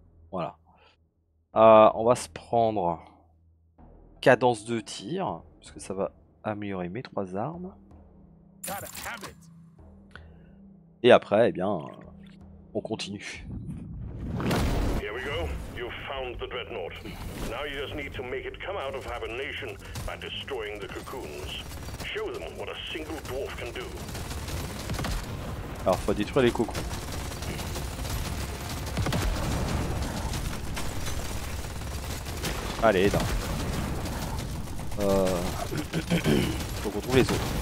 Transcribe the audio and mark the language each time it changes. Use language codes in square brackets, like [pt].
[fr] Voilà. On va se prendre cadence de tir, parce que ça va améliorer mes trois armes. Et après, eh bien, on continue. [en] Here we go. You've found the dreadnought. Now you just need to make it come out of hibernation by destroying the cocoons. Show them what a single dwarf can do. [fr] Alors, faut détruire les cocons. Allez, non. Faut qu'on trouve les autres.